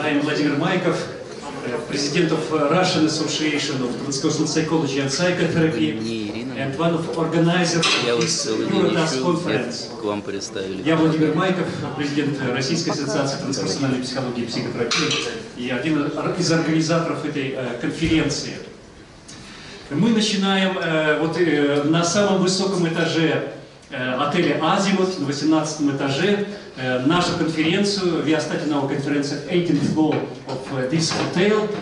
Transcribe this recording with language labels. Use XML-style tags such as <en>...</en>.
<en>I am Vladimir Maikov, president of Russian Association of Transcultural Psychology and Psychotherapy, and one of organizers of the Plurotas conference.</en> <ru>Я Владимир Майков, президент Российской ассоциации трансперсональной психологии и психотерапии, и один из организаторов этой конференции. Мы начинаем на самом высоком этаже отеля «Азимут», на 18 этаже, нашу конференцию.</ru> <en>We are starting our conference at 18th floor of this hotel.</en>